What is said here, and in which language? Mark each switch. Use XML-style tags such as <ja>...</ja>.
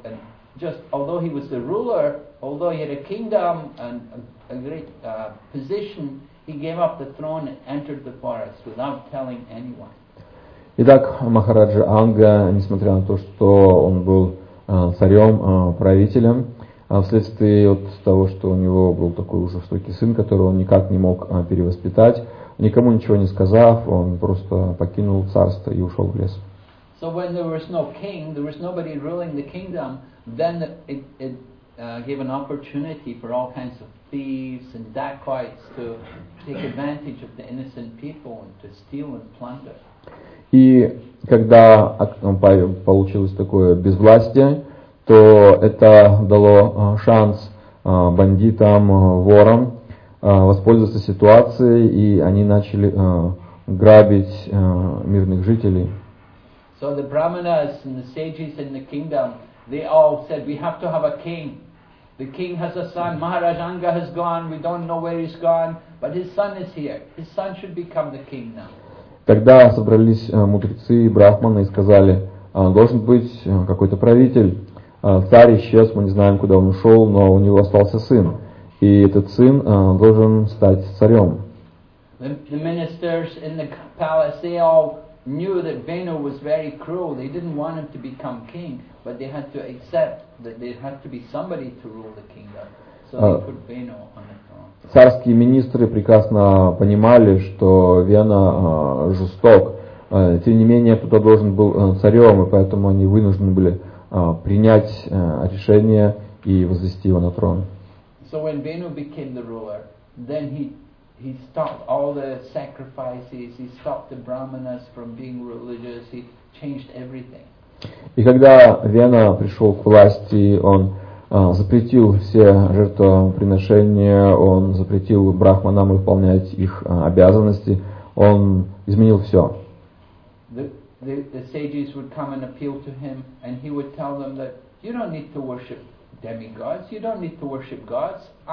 <en>And just although he was the ruler, although he had a kingdom and a great position, he gave up the throne and entered the forest without telling anyone.</en> <ru>Итак, Махараджа Анга, несмотря на то, что он был царем, правителем, вследствие от того, что у него был такой уже жестокий сын, которого он никак не мог перевоспитать, никому ничего не сказав, он просто покинул царство и ушел в лес.</ru> <en>So when there was no king, there was nobody ruling the kingdom, then it gave an opportunity for all kinds of thieves and dacoits to take advantage of the innocent people and to steal and plunder.</en> <ru>И когда получилось такое безвластие, то это дало шанс бандитам, ворам воспользоваться ситуацией, и они начали грабить мирных жителей.</ru> <en>So the brahmanas and the sages in the kingdom, they all said, we have to have a king. The king has a son, Maharaj Anga has gone, we don't know where he's gone, but his son is here. His son should become the king now.</en> <ru>Тогда собрались мудрецы и брахманы и сказали, должен быть какой-то правитель. Царь исчез, мы не знаем, куда он ушел, но у него остался сын. И этот сын должен стать царем.</ru> <en>The ministers in the palace, they all knew that Venu was very cruel. They didn't want him to become king, but they had to accept that there had to be somebody to rule the kingdom. So they put Venu on the throne.</en> <ru>Царские министры прекрасно понимали, что Вена жесток. Тем не менее, кто-то должен был царем, и поэтому они вынуждены были принять решение и возвести его на трон.</ru> <en>So when Venu became the ruler, then he stopped all the sacrifices, he stopped the brahmanas from being religious, he changed everything.</en> <ru>И когда Вена пришел к власти, он запретил все жертвоприношения, он запретил брахманам выполнять их обязанности, он изменил все.</ru> <en>The sages would come and appeal to him, and he would tell them that you don't need to worship demigods, you don't need to worship gods.</en>